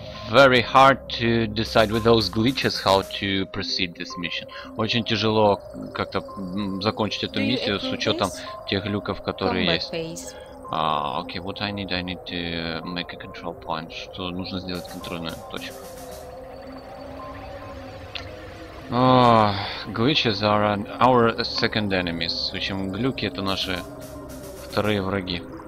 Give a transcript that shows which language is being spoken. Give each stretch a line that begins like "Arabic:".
English: Very hard to decide with those glitches how to proceed this mission.
Russian: Очень тяжело как-то закончить эту миссию с учетом тех глюков, которые есть.
English: Okay, what I need to make a control point.
Russian: Что нужно сделать контрольную точку.
English: Glitches are our second enemies.
Russian: В общем, глюки это наши вторые враги.